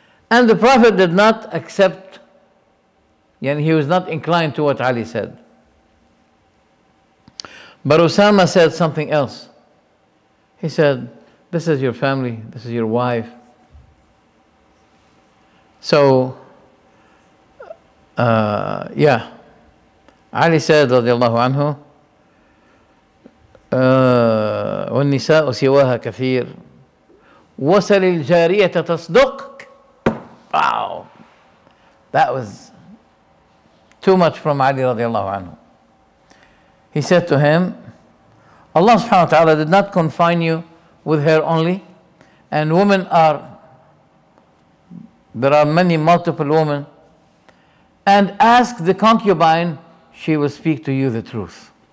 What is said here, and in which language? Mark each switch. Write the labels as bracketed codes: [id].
[en] And the Prophet did not accept, and he was not inclined to what Ali said. But Usama said something else. He said, This is your family, this is your wife. So, Ali said, radiallahu anhu, [ar] والنساء سواها كثير وصل الجارية تصدقك. [en] Wow, that was too much from Ali radiallahu anhu. He said to him, Allah subhanahu wa ta'ala did not confine you with her only, and women are, there are many multiple women, and ask the concubine, she will speak to you the truth.